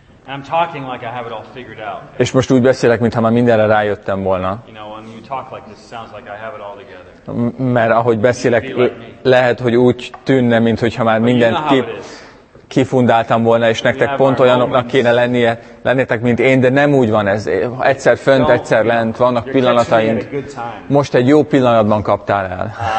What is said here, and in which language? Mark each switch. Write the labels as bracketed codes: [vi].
[en] And I'm talking like I have it all figured out. [hu] És most úgy beszélek, mintha már mindenre rájöttem volna. [en] You know, when you talk like this, it sounds like I have it all together. [hu] Mert ahogy beszélek, lehet, hogy úgy tűnne, mint hogyha már mindent kifundáltam volna, és nektek pont olyanoknak kéne lennie, lennétek, mint én, de nem úgy van ez. Egyszer fönt, egyszer lent, vannak pillanataink. Most egy jó pillanatban kaptál el.